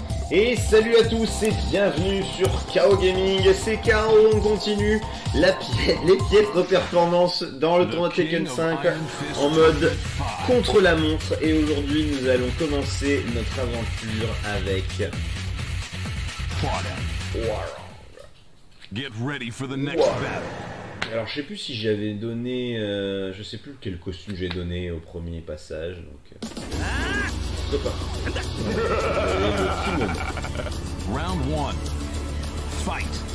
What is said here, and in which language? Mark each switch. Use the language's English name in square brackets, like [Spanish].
[French] Et salut à tous et bienvenue sur KO Gaming, c'est KO, on continue les piètres performances dans le tournoi Tekken 5 en mode contre la montre. Et aujourd'hui nous allons commencer notre aventure avec Warang. [English] Get ready for the next battle. [French] Alors je sais plus si j'avais donné, je sais plus quel costume j'ai donné au premier passage, donc... [English] Round 1. Fight.